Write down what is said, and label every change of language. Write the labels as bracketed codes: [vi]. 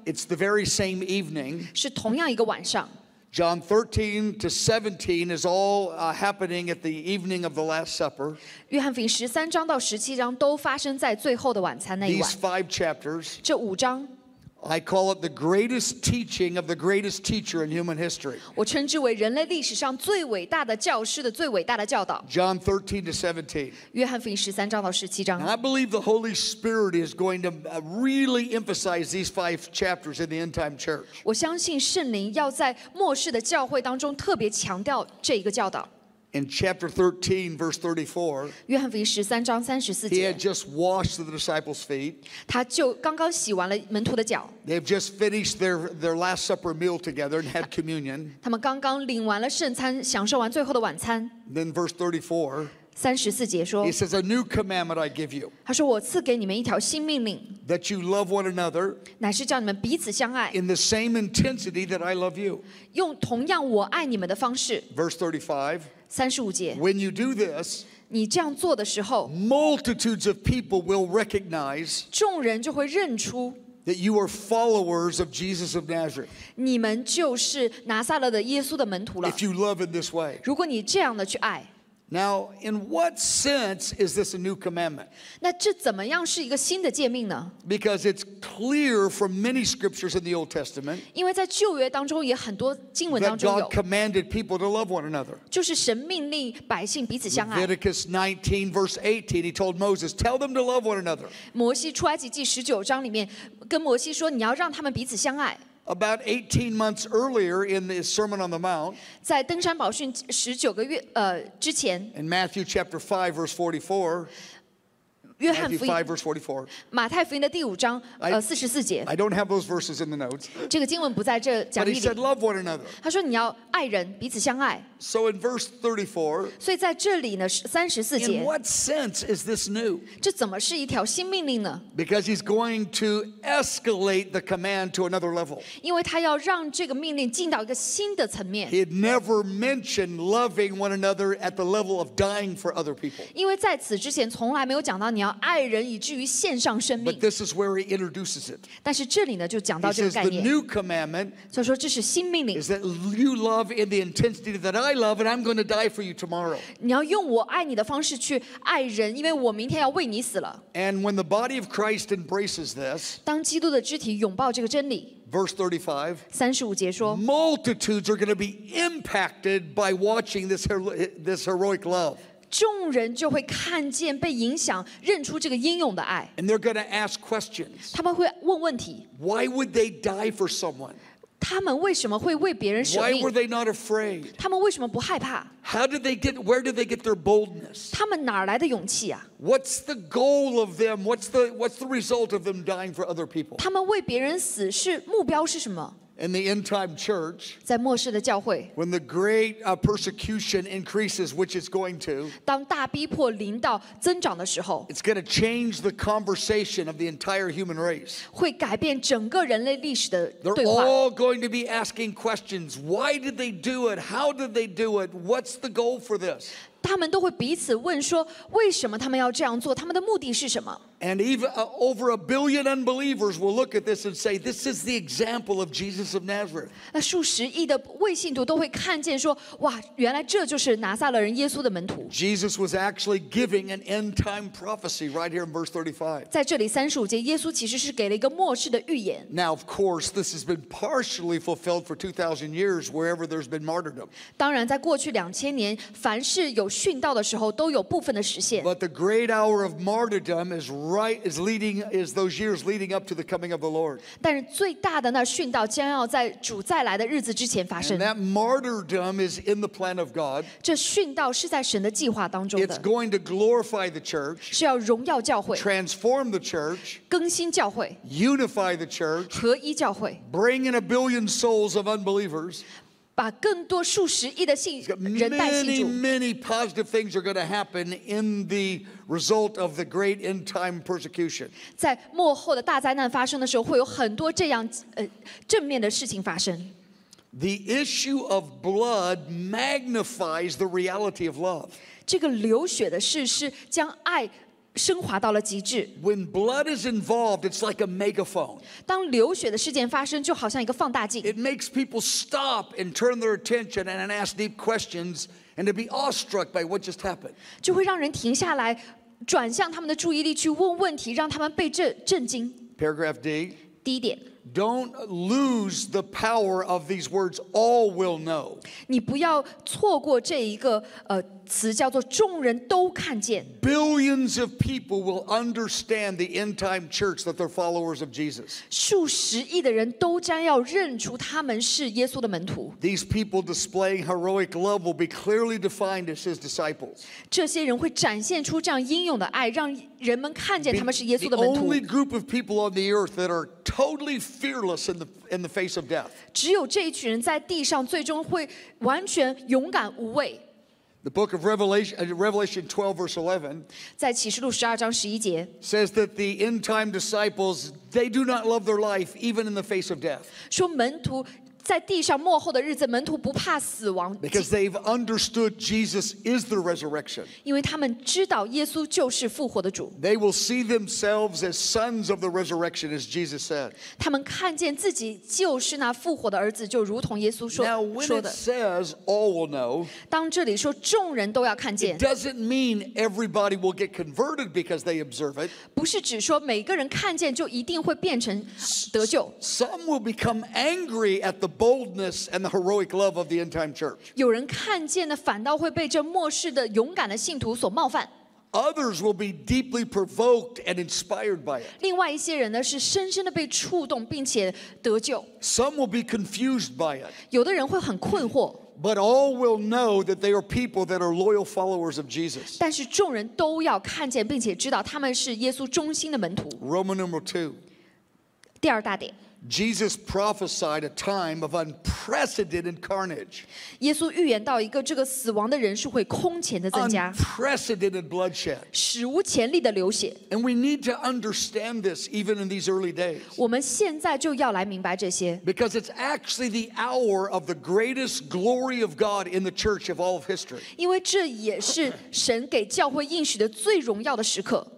[en] It's the very same evening. [zh] 是同样一个晚上。 [en] John 13 to 17 is all happening at the evening of the Last Supper. [zh] 约翰福音十三章到十七章都发生在最后的晚餐那一晚。 [en] These five chapters. [zh] 这五章。 [en] I call it the greatest teaching of the greatest teacher in human history. [zh] 我称之为人类历史上最伟大的教师的最伟大的教导。 [en] John 13 to 17. [zh] 约翰福音十三章到十七章。 [en] I believe the Holy Spirit is going to really emphasize these five chapters in the end time church. [zh] 我相信圣灵要在末世的教会当中特别强调这一个教导。 [en] In chapter 13, verse 34, [zh] 约翰福音十三章三十四节 [en] he had just washed the disciples' feet. [zh] 他就刚刚洗完了门徒的脚。 [en] They've just finished their last supper meal together and had communion. [zh] 他们刚刚领完了圣餐，享受完最后的晚餐。 [en] Then verse 34, [zh] 三十四节说 [en] he says, "A new commandment I give you." [zh] 他说我赐给你们一条新命令 [en] that you love one another. [zh] 乃是叫你们彼此相爱 [en] in the same intensity that I love you. [zh] 用同样我爱你们的方式 [en] Verse 35. [zh] 三十五节 [en] When you do this, [zh] 你这样做的时候 [en] multitudes of people will recognize [zh] 众人就会认出 [en] that you are followers of Jesus of Nazareth. [zh] 你们就是拿撒勒的耶稣的门徒了 [en] If you love in this way, [zh] 如果你这样的去爱 [en] Now, in what sense is this a new commandment? [zh] 那这怎么样是一个新的诫命呢？ [en] Because it's clear from many scriptures in the Old Testament. [zh] 因为在旧约当中也很多经文当中有。 [en] That God commanded people to love one another. [zh] 就是神命令百姓彼此相爱。 [en] Leviticus 19 verse 18, he told Moses, tell them to love one another. [zh] 摩西出埃及记十九章里面跟摩西说，你要让他们彼此相爱。 [en] About 18 months earlier in the Sermon on the Mount, [zh] 在登山宝训十九个月之前 [en] in Matthew chapter 5 verse 44, [zh] 约翰福音 [en] Matthew 5 verse 44, [zh] 马太福音的第五章44节 [en] I don't have those verses in the notes. [zh] 这个经文不在这讲义里 [en] But he said, "Love one another." [zh] 他说你要爱人，彼此相爱 [en] So in verse 34, [zh] 所以在这里呢，三十四节 [en] In what sense is this new? [zh] 这怎么是一条新命令呢 [en] Because he's going to escalate the command to another level. [zh] 因为他要让这个命令进到一个新的层面 [en] He had never mentioned loving one another at the level of dying for other people. [zh] 因为在此之前从来没有讲到你要爱人以至于献上生命 [en] But this is where he introduces it. [zh] 但是这里呢就讲到这个概念 [en] He says the new commandment. [zh] 所以说这是新命令 [en] Is that you love in the intensity that I love, and I'm going to die for you tomorrow. [zh] 你要用我爱你的方式去爱人，因为我明天要为你死了。 [en] And when the body of Christ embraces this, [zh] 当基督的肢体拥抱这个真理。 [en] Verse 35, [zh] 35节说 [en] multitudes are going to be impacted by watching this heroic love. [zh] 众人就会看见被影响，认出这个英勇的爱。 [en] And they're going to ask questions. [zh] 他们会问问题。 [en] Why would they die for someone? [zh] 他们为什么会为别人舍命 [en] Why were they not afraid? [zh] 他们为什么不害怕 [en] How did they get, where did they get their boldness? [zh] 他们哪来的勇气啊 [en] What's the goal of them? What's the result of them dying for other people? [zh] 他们为别人死是目标是什么 [en] In the end time church, [zh] 在末世的教会 [en] when the great persecution increases, which it's going to, [zh] 当大逼迫临到增长的时候 [en] it's going to change the conversation of the entire human race. [zh] 会改变整个人类历史的对话 [en] They're all going to be asking questions. Why did they do it? How did they do it? What's the goal for this? [zh] 他们都会彼此问说为什么他们要这样做他们的目的是什么 [en] And even, over a billion unbelievers will look at this and say this is the example of Jesus of Nazareth [zh] 那数十亿的未信徒都会看见说哇原来这就是拿撒勒人耶稣的门徒 [en] Jesus was actually giving an end time prophecy right here in verse 35 [zh] 在这里三十五节耶稣其实是给了一个末世的预言 [en] Now of course this has been partially fulfilled for 2,000 years wherever there's been martyrdom [zh] 当然在过去两千年凡是有殉道的时候都有部分的实现。 [en] But the great hour of martyrdom is those years leading up to the coming of the Lord. [zh] 但是最大的那殉道将要在主再来的日子之前发生。 [en] And that martyrdom is in the plan of God. [zh] 这殉道是在神的计划当中的。 [en] It's going to glorify the church. [zh] 是要荣耀教会。 [en] Transform the church. [zh] 更新教会。 [en] Unify the church. [zh] 合一教会。 [en] Bring in a billion souls of unbelievers. [zh] 把更多数十亿的信人带信主 [en] Many, many positive things are going to happen in the result of the great end time persecution. [zh] 在末后的大灾难发生的时候，会有很多这样正面的事情发生。 [en] The issue of blood magnifies the reality of love. [zh] 这个流血的事是将爱升华到了极致。 [en] When blood is involved, it's like a megaphone. [zh] 当流血的事件发生，就好像一个放大镜。 [en] It makes people stop and turn their attention and ask deep questions and to be awestruck by what just happened. [zh] 就会让人停下来，转向他们的注意力去问问题，让他们被震惊。 [en] Paragraph D. [zh] 第一点。 [en] Don't lose the power of these words. All will know. [zh] 你不要错过这一个词叫做众人都看见。 [en] Billions of people will understand the end time church that they're followers of Jesus. [zh] 数十亿的人都将要认出他们是耶稣的门徒。 [en] These people displaying heroic love will be clearly defined as his disciples. [zh] 这些人会展现出这样英勇的爱，让人们看见他们是耶稣的门徒。 [en] The only group of people on the earth that are totally fearless in the face of death. [zh] 只有这一群人在地上最终会完全勇敢无畏。 [en] The book of Revelation 12 verse 11 [zh] 在启示录十二章十一节 [en] says that the end time disciples they do not love their life even in the face of death. [zh] 说门徒在地上末后的日子，门徒不怕死亡。 [en] Because they've understood Jesus is the resurrection. [zh] 因为他们知道耶稣就是复活的主。 [en] They will see themselves as sons of the resurrection, as Jesus said. [zh] 他们看见自己就是那复活的儿子，就如同耶稣说的。 [en] Now when it says all will know, [zh] 当这里说众人都要看见 [en] ，it doesn't mean everybody will get converted because they observe it. [zh] 不是指说每个人看见就一定会变成得救。 [en] Some will become angry at the boldness and the heroic love of the end-time church. [zh] 有人看见的反倒会被这末世的勇敢的信徒所冒犯。 [en] Others will be deeply provoked and inspired by it. [zh] 另外一些人呢是深深的被触动并且得救。 [en] Some will be confused by it. [zh] 有的人会很困惑。 [en] But all will know that they are people that are loyal followers of Jesus. [zh] 但是众人都要看见并且知道他们是耶稣忠心的门徒。 [en] Roman number two. [zh] 第二大点。 [en] Jesus prophesied a time of unprecedented carnage. [zh] 耶稣预言到一个这个死亡的人数会空前的增加。 [en] Unprecedented bloodshed. [zh] 史无前例的流血。 [en] And we need to understand this even in these early days. [zh] 我们现在就要来明白这些。 [en] Because it's actually the hour of the greatest glory of God in the church of all of history. [zh] 因为这也是神给教会应许的最荣耀的时刻。